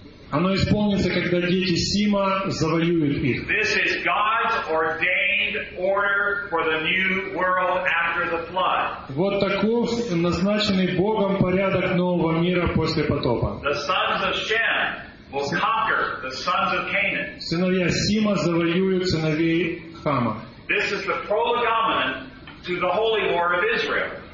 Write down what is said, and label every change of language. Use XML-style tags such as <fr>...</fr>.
<ru>Оно исполнится, когда дети Сима завоюют их.</ru> <en>This is God's ordained order for the new world after the flood.</en> <ru>Вот таков назначенный Богом порядок нового мира после потопа.</ru> <en>The sons of Shem will conquer the sons of Canaan.</en> <ru>Сыновья Сима завоюют сыновей Хама.</ru> <en>This is the prolegomenon to the holy war of Israel.</en>